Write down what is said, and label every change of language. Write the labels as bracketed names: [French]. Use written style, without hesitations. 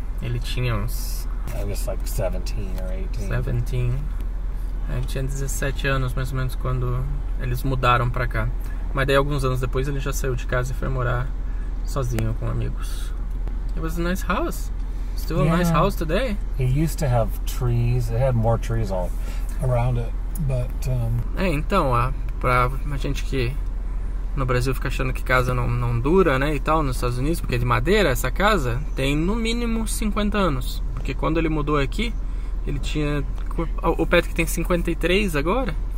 [Portuguese] Ele tinha uns... [English] I was like 17 or 18. 17. [Portuguese] A gente tinha 17 anos, mais ou menos, quando eles mudaram pra cá. Mas daí, alguns anos depois, ele já saiu de casa e foi morar sozinho com amigos. [English] It was a nice house. Still a yeah. nice house today. It used to have trees. It had more trees all around it, but... [Portuguese] É, então, pra a gente que no Brasil fica achando que casa não dura, né, e tal, nos Estados Unidos, porque é de madeira, essa casa tem no mínimo 50 anos. Porque quando ele mudou aqui, ele tinha... O Patrick tem 53 agora.